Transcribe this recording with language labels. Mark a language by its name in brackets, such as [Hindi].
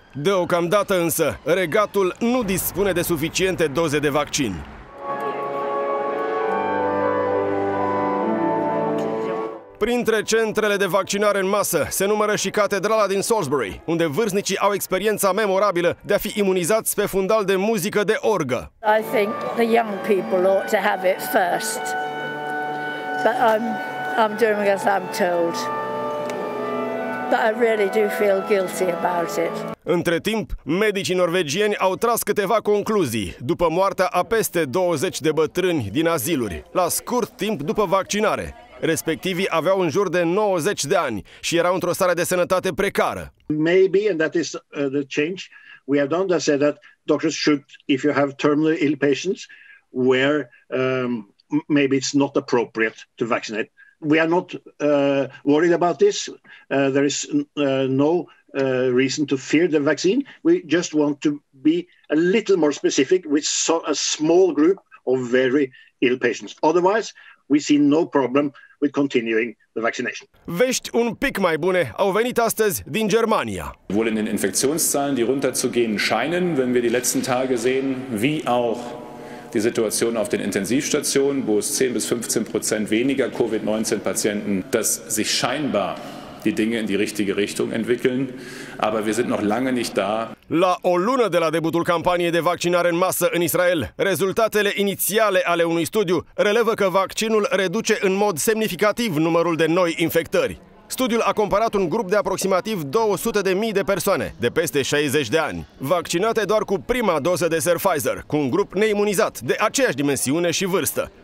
[Romanian] Deocamdată însă, regatul nu dispune de suficiente doze de vaccin. Printre centrele de vaccinare în masă se numără și catedrala din Salisbury, unde vârstnicii au experiența memorabilă de a fi imunizați pe fundal de muzică de orgă. [English] I think the young people ought to have it first. But I'm doing as I'm told. But I really do feel guilty about it. [Romanian] Între timp, medicii norvegieni au tras câteva concluzii după moartea a peste 20 de bătrâni din aziluri, la scurt timp după vaccinare. Respectivii aveau în jur de 90 de ani și erau într-o stare de sănătate precară. [English] Maybe, and that is the change, we have done that, said that doctors should, if you have terminally ill patients, where maybe it's not appropriate to vaccinate. We are not worried about this. There is no reason to fear the vaccine. We just want to be a little more specific with a small group of very ill patients. Otherwise, we see no problem with continuing the vaccination. [Romanian] Vești un pic mai bune au venit astăzi din Germania. [German] Wohl in den Infektionszahlen, die runterzugehen scheinen, wenn wir die letzten Tage sehen, wie auch die Situation auf den Intensivstationen, wo es 10-15% weniger Covid-19-Patienten, dass sich scheinbar die Dinge in die richtige Richtung entwickeln. Aber wir sind noch lange nicht da. [Romanian] La o lună de la debutul campaniei de vaccinare în masă în Israel, rezultatele inițiale ale unui studiu relevă că vaccinul reduce în mod semnificativ numărul de noi infectări. Studiul a comparat un grup de aproximativ 200.000 de persoane de peste 60 de ani, vaccinate doar cu prima doză de Sir Pfizer, cu un grup neimunizat de aceeași dimensiune și vârstă.